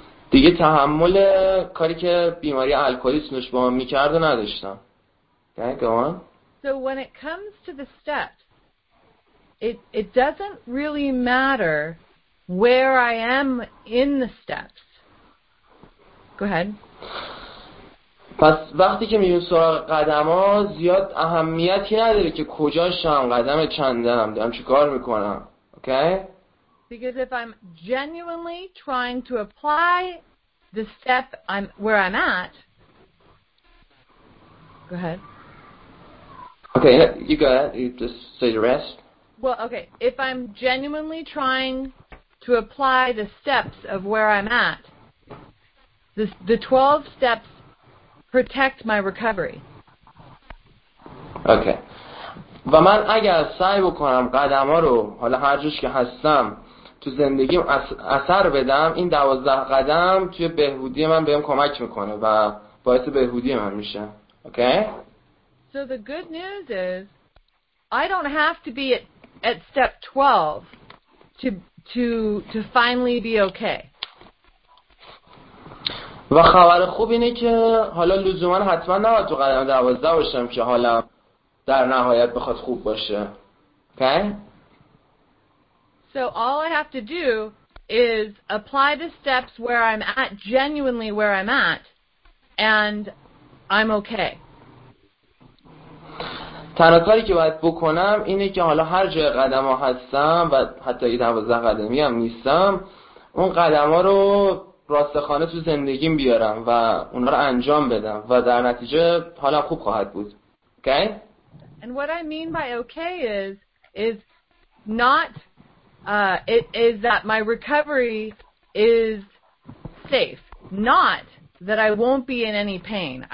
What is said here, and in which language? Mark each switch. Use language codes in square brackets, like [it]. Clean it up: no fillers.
[fa] دیگه تحمل کاری که بیماری الکلیسم با من می‌کرد و نداشتم. [en] Okay, go on. So when it comes to the steps, it doesn't really matter where I am in the steps. Go ahead. [fa] پس وقتی که میون سراغ قدم‌ها زیاد اهمیتی نداره که کجاشم، قدم چندم، دارم چیکار می‌کنم. [en] Okay? Because if I'm genuinely trying to apply the step where I'm at, go ahead. Okay, you go ahead. You just say the rest. Well, okay. If I'm genuinely trying to apply the steps of where I'm at, the 12 steps protect my recovery. Okay. [fa] و من اگر سعی بکنم قدم‌ها رو حالا هر جوش که هستم تو زندگیم اثر بدم، این 12 قدم توی بهبودی من بهم کمک میکنه و باعث بهبودی من میشه. [en] Okay? So the good news is I don't have to be at step 12 to finally be okay. [fa] و خبر خوب اینه که حالا لزوما حتما نباید تو قدم 12 باشم که حالا در نهایت بخواد خوب باشه. [en] Okay? So all I have to do is apply the steps where I'm at, genuinely where I'm at, and I'm okay. [fa] تنها کاری که باید بکنم اینه که حالا هر جای قدم ها هستم و حتی اگه 12 قدمی هم نیستم، اون قدم ها رو راستخانه تو زندگیم بیارم و اونا رو انجام بدم و در نتیجه حالا خوب خواهد بود. [en] Okay? And what I mean by okay is not... it is that my recovery is safe, not that I won't be in any pain.